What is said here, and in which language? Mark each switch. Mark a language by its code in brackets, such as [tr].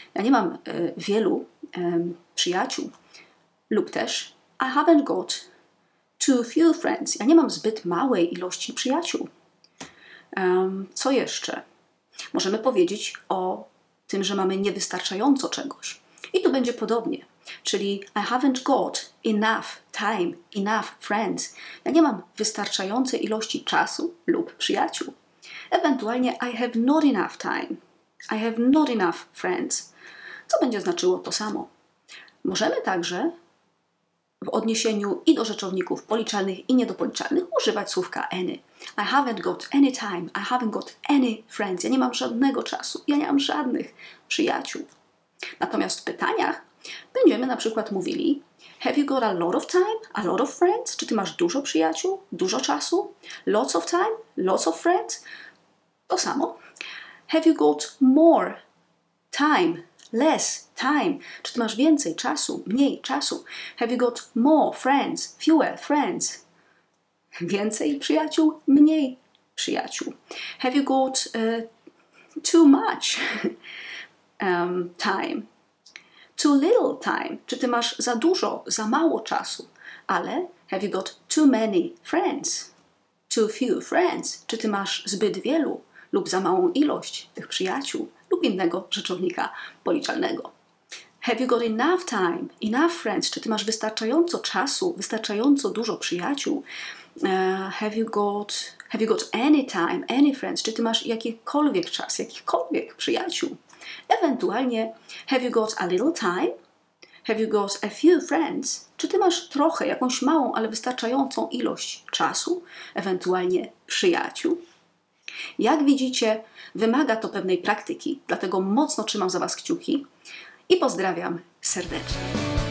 [pl] Ja nie mam wielu przyjaciół. Lub też [en] I haven't got too few friends. [pl] Ja nie mam zbyt małej ilości przyjaciół. Co jeszcze? Możemy powiedzieć o tym, że mamy niewystarczająco czegoś. I tu będzie podobnie. [en] Czyli I haven't got enough time, enough friends. [pl] Ja nie mam wystarczającej ilości czasu lub przyjaciół. [en] Ewentualnie I have not enough time. I have not enough friends. [pl] Co będzie znaczyło to samo. Możemy także w odniesieniu i do rzeczowników policzalnych i niedopoliczalnych używać słówka any. [en] I haven't got any time. I haven't got any friends. [pl] Ja nie mam żadnego czasu. Ja nie mam żadnych przyjaciół. Natomiast w pytaniach będziemy na przykład mówili [en] have you got a lot of time, a lot of friends? [pl] Czy ty masz dużo przyjaciół, dużo czasu? [en] Lots of time, lots of friends? [pl] to samo. [en] Have you got more time? Less time. [pl] Czy ty masz więcej czasu? Mniej czasu. [en] Have you got more friends? Fewer friends. [pl] Więcej przyjaciół? Mniej przyjaciół. [en] Have you got too much time? Too little time. [pl] Czy ty masz za dużo, za mało czasu? [en] Ale have you got too many friends? Too few friends. [pl] Czy ty masz zbyt wielu lub za małą ilość tych przyjaciół lub innego rzeczownika policzalnego? [en] Have you got enough time, enough friends? [pl] Czy ty masz wystarczająco czasu, wystarczająco dużo przyjaciół? [en] Have you got any time, any friends? [pl] Czy ty masz jakikolwiek czas, jakichkolwiek przyjaciół? [en] Ewentualnie, have you got a little time? Have you got a few friends? [pl] Czy ty masz trochę, jakąś małą, ale wystarczającą ilość czasu? Ewentualnie przyjaciół? Jak widzicie, wymaga to pewnej praktyki, dlatego mocno trzymam za was kciuki i pozdrawiam serdecznie.